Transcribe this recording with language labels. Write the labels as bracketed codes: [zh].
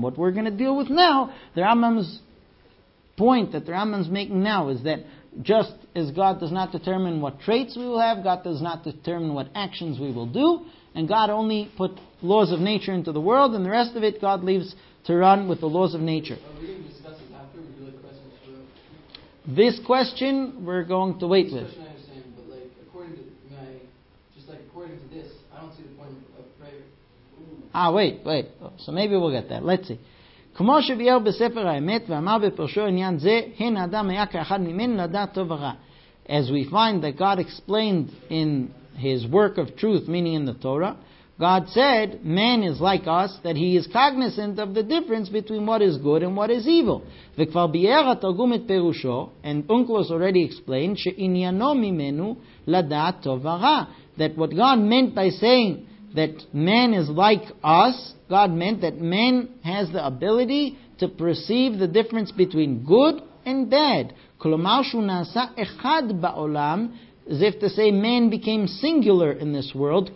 [en] What we're going to deal with now, the Rambam's point that the Rambam's making now is that just as God does not determine what traits we will have, God does not determine what actions we will do, and God only put laws of nature into the world, and the rest of it God leaves to run with the laws of nature. Are we going to discuss it after we do the questions through? This question we're going to wait with. I understand, but like according to my, just like according to this, I don't see the point of prayer. Ooh. Wait. So maybe we'll get that. Let's see. [he] כמו שביאר בספר האמת ואמר בפרשו עניין זה, הן האדם היה כאחד ממנו לדעת טוב ורע. [en] As we find that God explained in his work of truth, meaning in the Torah, God said, man is like us, that he is cognizant of the difference between what is good and what is evil. [he] וכבר ביאר התרגום את פירושו, [en] and Unklos already explained, [he] שעניינו ממנו לדעת טוב ורע. [en] That what God meant by saying that man is like us, God meant that man has the ability to perceive the difference between good and bad. [he] Kolomar shu nasa echad ba'olam, [en] as if to say man became singular in this world.